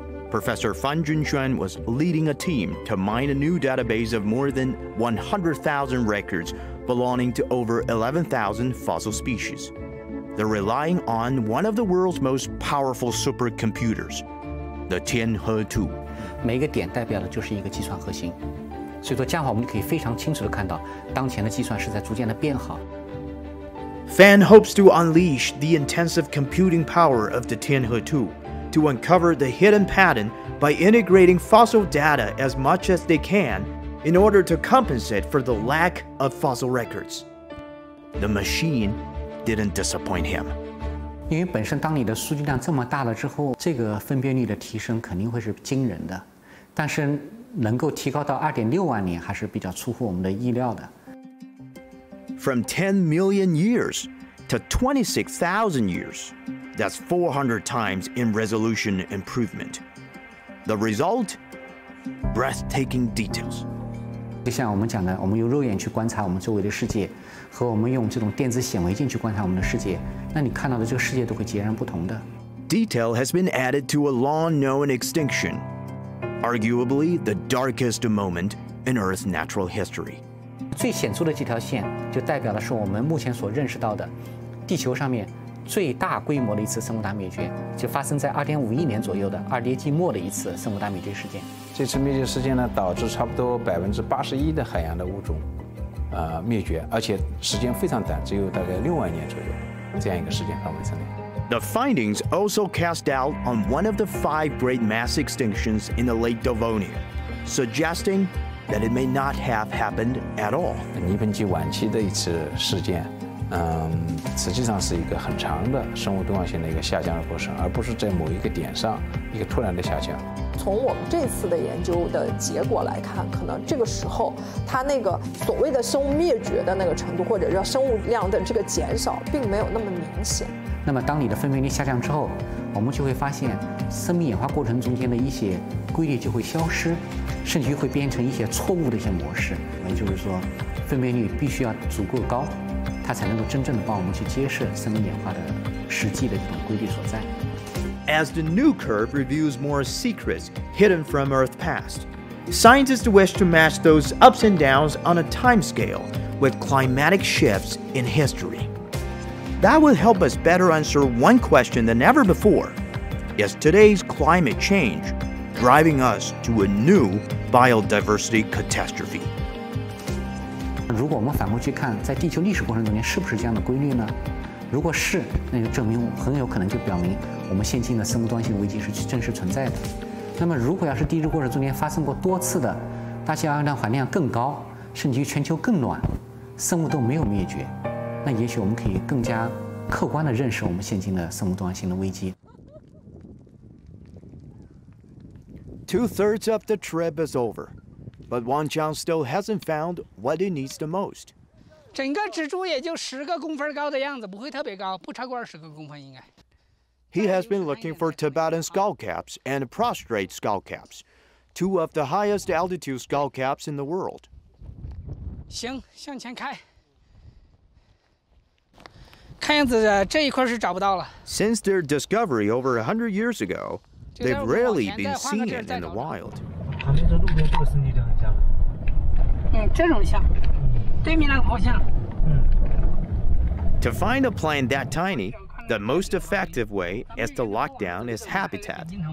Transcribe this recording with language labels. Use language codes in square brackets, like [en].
[en] Professor Fan Junxuan was leading a team to mine a new database of more than 100,000 records belonging to over 11,000 fossil species. They're relying on one of the world's most powerful supercomputers, the Tianhe 2. [zh] 每个点代表的就是一个计算核心，所以说这样的话我们就可以非常清楚地看到当前的计算是在逐渐的变好。 [en] Fan hopes to unleash the intensive computing power of the Tianhe 2 to uncover the hidden pattern by integrating fossil data as much as they can in order to compensate for the lack of fossil records. The machine. Didn't disappoint him. [zh] 因为本身当你的数据量这么大了之后，这个分辨率的提升肯定会是惊人的，但是能够提高到2.6万年还是比较出乎我们的意料的。 [en] From 10 million years to 26,000 years, that's 400 times in resolution improvement. The result? Breathtaking details. [zh] 就像我们讲的，我们用肉眼去观察我们周围的世界，和我们用这种电子显微镜去观察我们的世界，那你看到的这个世界都会截然不同的。 [en] Detail has been added to a long-known extinction, arguably the darkest moment in Earth's natural history. [zh] 最显著的这条线就代表的是我们目前所认识到的地球上面最大规模的一次生物大灭绝，就发生在2.5亿年左右的二叠纪末的一次生物大灭绝事件。这次灭绝事件呢，导致差不多81%的海洋的物种，灭绝，而且时间非常短，只有大概6万年左右，这样一个时间范围之内。 [en] The findings also cast doubt on one of the 5 great mass extinctions in the late Devonian, suggesting that it may not have happened at all. [zh] 泥盆纪晚期的一次事件。实际上是一个很长的生物多样性的一个下降的过程，而不是在某一个点上一个突然的下降。从我们这次的研究的结果来看，可能这个时候它那个所谓的生物灭绝的那个程度，或者叫生物量的这个减少，并没有那么明显。那么当你的分辨率下降之后，我们就会发现生命演化过程中间的一些规律就会消失，甚至于会变成一些错误的一些模式。也就是说，分辨率必须要足够高，它才能够真正的帮我们去揭示生命演化的实际的这种规律所在。 [en] As the new curve reveals more secrets hidden from Earth's past, scientists wish to match those ups and downs on a time scale with climatic shifts in history. That will help us better answer one question than ever before: Is today's climate change driving us to a new biodiversity catastrophe? [zh] 如果我们反过去看，在地球历史过程中间是不是这样的规律呢？如果是，那就证明很有可能就表明我们现今的生物多样性危机是真实存在的。那么，如果要是地质过程中间发生过多次的大气二氧化碳量更高，甚至于全球更暖，生物都没有灭绝，那也许我们可以更加客观地认识我们现今的生物多样性的危机。 [en] 2/3 of the trip is over.But Wang Chang still hasn't found what he needs the most. [zh] 整个蜘蛛也就十个公分高的样子，不会特别高，不超过二十个公分应该。 [en] He has been looking for Tibetan skullcaps and prostrate skullcaps, two of the highest altitude skullcaps in the world. [zh] 行，向前开。看样子这一块是找不到了。 [en] Since their discovery over 100 years ago, they've rarely been seen in the wild. [zh] 旁边的路边这个是你的家吗？这种像，对面那个方向。 [en] To find a plant that tiny, the most effective way is to lock down its habitat.